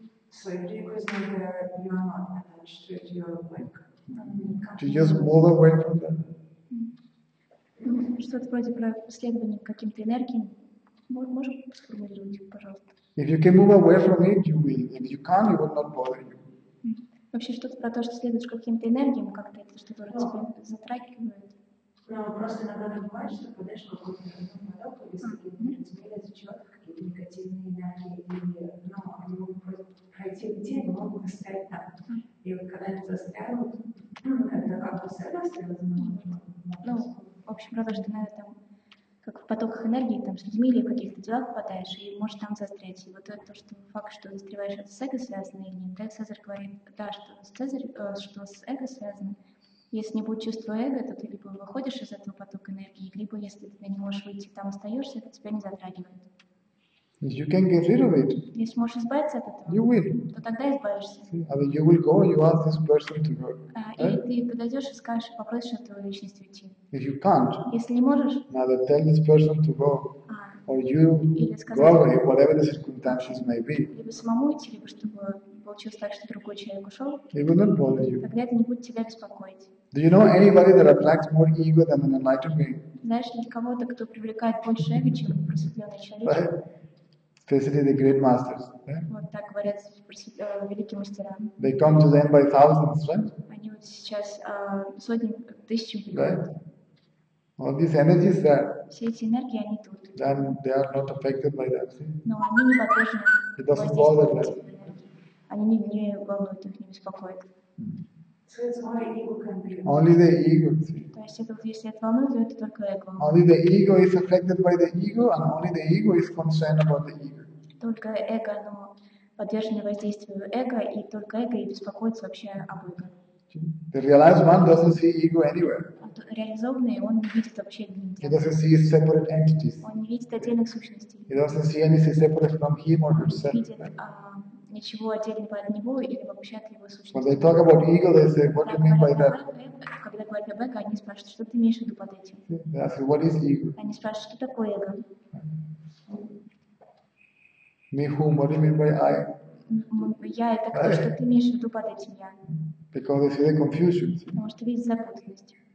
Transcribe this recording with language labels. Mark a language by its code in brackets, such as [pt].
[en] So if the ego is not there, you are not attached to it. You're like. Do you just move away from that? [ru] Что-то вроде проследования каким-то энергиям. Можем сформулировать, пожалуйста. [en] If you can move away from it, you will. If you can't, it will not bother you. [ru] Вообще что-то про то, что следуешь каким-то энергиям, как-то это что-то вроде тебя затрагивает. Но просто иногда бывает, что подаешь какой-то поток, если тебе зачет какие-то негативные энергии, или они могут пройти где, но могут стоять там. И вот когда это застряло, это как-то связано с ну, в общем, правда, что на этом как в потоках энергии, там, с людьми или в каких-то делах попадаешь, и можешь там застрять. И вот это что, факт, что застреваешь, это с эго связано или нет, Цезарь говорит, да, что с, что с эго связано. Если не будет чувства эго, то ты либо выходишь из этого потока энергии, либо если ты не можешь выйти, там остаешься, это тебя не затрагивает. [en] You can get rid of it. [ru] Если можешь избавиться от этого, [en] you will. [ru] То тогда избавишься. [en] See, I mean, you will go, you ask this person to go. [ru] И ты подойдешь и скажешь, попросишь этого личности уйти. [en] If you can't, [ru] если не можешь, надо [en] tell this person to go. Or you go away, whatever the circumstances may be. [ru] Либо самому уйти, либо чтобы получилось так, что другой человек ушел. [en] It will not bother you. [ru] Тогда это не будет тебя беспокоить. [en] Do you know anybody that attracts more ego than an enlightened being? [ru] Знаешь ли кого-то, кто привлекает больше эго, чем просветленный человек? [en] Right? Especially the great masters. [ru] Вот так говорят великие мастера. [en] They come to them by thousands, right? [ru] Они вот сейчас сотни, тысячи приходят. [en] Right? All these energies there. [ru] Все эти энергии они тут. [en] Then they are not affected by that. See? [ru] Но они не подвержены. [en] It doesn't bother them. Right? [ru] Они не волнуют их, не беспокоят. [en] So it's only ego can be. Only the ego. Only the ego is affected by the ego, and only the ego is concerned about the ego. [ru] Только эго, оно подвержено воздействию эго, и только эго и беспокоится вообще об эго. [en] The realized one doesn't see ego anywhere. [ru] А реализованный, он не видит вообще нигде. [en] He doesn't see his separate entities. [ru] Он не видит отдельных сущностей. [en] He doesn't see anything separate from him or herself. [ru] Не видит ничего отдельного от него или вообще от его сущности. [en] When they talk about ego, they say, what do you mean by that? [ru] Когда говорят об эго, они спрашивают, что ты имеешь в виду под этим? [en] They ask, what is ego? [ru] Они спрашивают, что такое эго? [en] Me whom? What do you mean by I? [ru] Я — это кто, что ты имеешь в виду под этим я? [en] Because they see the confusion. [ru] Потому что видят запутанность.